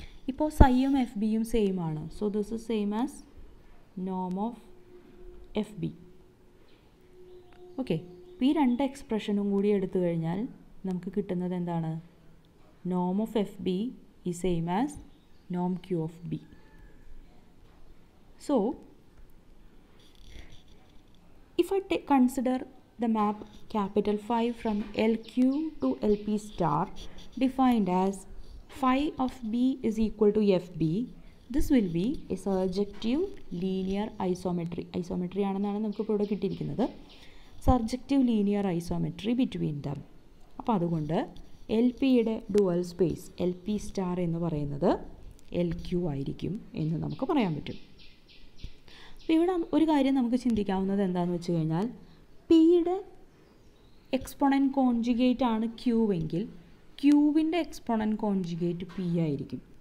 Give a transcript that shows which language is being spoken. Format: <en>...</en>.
<ml>ഇപ്പോൾ സൈയും എഫ് ബിയും സെയിം ആണ്.</ml> <en>So this is same as Noam of F B.</en> <ml>Okay, ഈ രണ്ട് എക്സ്പ്രഷനും കൂടി എടുത്തു കഴിഞ്ഞാൽ നമുക്ക് കിട്ടുന്നത് എന്താണ്, നോം ഓഫ് എഫ് ബി ഈ same as Noam Q of B. So</ml> <en>If I consider the map capital Phi from LQ to LP star defined as Phi of B is equal to FB, this will be a surjective linear isometry.</en> <ml>Isometry ആണെന്നാണ് നമുക്ക് ഇവിടെ കിട്ടിയിരിക്കുന്നത്.</ml> <en>Surjective linear isometry between them.</en> <ml>അപ്പോൾ അതുകൊണ്ട് LP യുടെ dual space LP star എന്ന് പറയുന്നത് LQ ആയിരിക്കും എന്ന് നമുക്ക് പറയാൻ പറ്റും. അപ്പോൾ ഇവിടെ ഒരു കാര്യം നമുക്ക് ചിന്തിക്കാവുന്നത് എന്താണെന്ന് വെച്ച് കഴിഞ്ഞാൽ പിയുടെ എക്സ്പോണൻറ്റ് കോൺജുഗേറ്റ് ആണ് ക്യൂവെങ്കിൽ ക്യൂവിൻ്റെ എക്സ്പോണൻറ്റ് കോൺജുഗേറ്റ് പി ആയിരിക്കും.</ml>